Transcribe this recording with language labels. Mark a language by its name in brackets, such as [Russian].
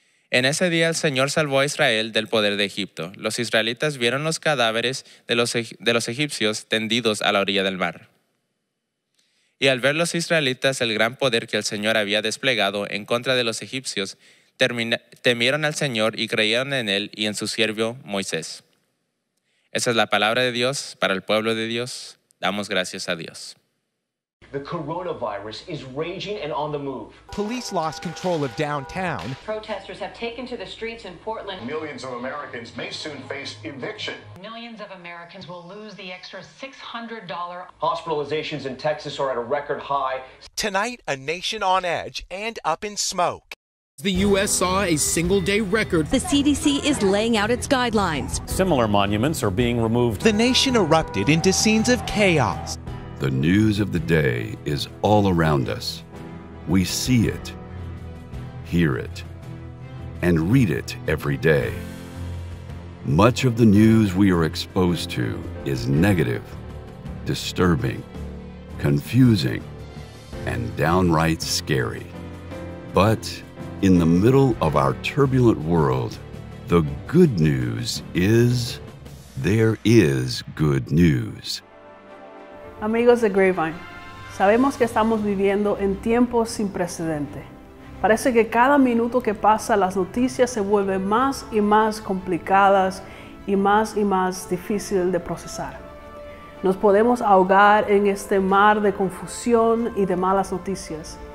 [Spanish] En ese día el Señor salvó a Israel del poder de Egipto. Los israelitas vieron los cadáveres de los egipcios tendidos a la orilla del mar. Y al ver los israelitas el gran poder que el Señor había desplegado en contra de los egipcios, temieron al Señor y creyeron en él y en su siervo Moisés. Esa es la palabra de Dios para el pueblo de Dios. Damos gracias a Dios. [English] The coronavirus is raging and on the move. Police lost control of downtown. Protesters have taken to the streets in Portland. Millions of Americans may soon face eviction. Millions of Americans will lose the extra $600. Hospitalizations in Texas are at a record high. Tonight, a nation on edge and up in smoke. The U.S. saw a single-day record. The CDC is laying out its guidelines. Similar monuments are being removed. The nation erupted into scenes of chaos. The news of the day is all around us. We see it, hear it, and read it every day. Much of the news we are exposed to is negative, disturbing, confusing, and downright scary. But in the middle of our turbulent world, the good news is there is good news. [Spanish] Amigos de Grapevine, sabemos que estamos viviendo en tiempos sin precedente. Parece que cada minuto que pasa las noticias se vuelven más y más complicadas y más difícil de procesar. Nos podemos ahogar en este mar de confusión y de malas noticias.